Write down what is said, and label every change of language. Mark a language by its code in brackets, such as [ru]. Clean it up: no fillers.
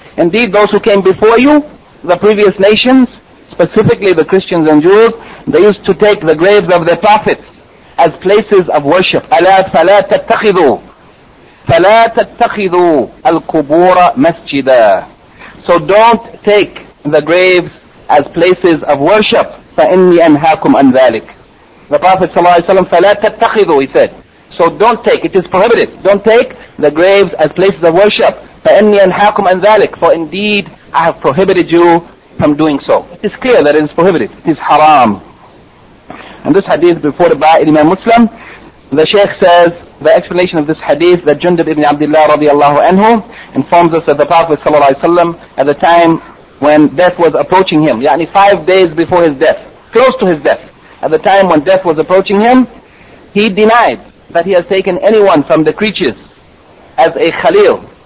[en] Indeed, those who came before you, the previous nations, specifically the Christians and Jews, they used to take the graves of their prophets as places of worship. [ar] أَلَا فَلَا تَتَّخِذُوا فَلَا تَتَّخِذُوا الْقُبُورَ مَسْجِدًا. [en] So don't take the graves as places of worship. [ar] فَإِنِّي أَنْهَاكُمْ أَنْ ذَلِكَ. [en] The Prophet [ar] صلى الله عليه وسلم, فَلَا تَتَّخِذُوا, [en] he said. So don't take, it is prohibited. Don't take the graves as places of worship. [ar] فَإِنِّي أَنْهَاكُمْ أَنْ ذَلِكَ. [en] For indeed, I have prohibited you from doing so. It is clear that it is prohibited. It is haram. And this hadith reported by Imam Muslim, the Shaykh says, the explanation of this hadith, that Jundub ibn Abdullah radiallahu anhu informs us that the Prophet sallallahu alayhi wa sallam, at the time when death was approaching him, yani 5 days before his death, close to his death, at the time when death was approaching him, he denied that he has taken anyone from the creatures as a Khalil.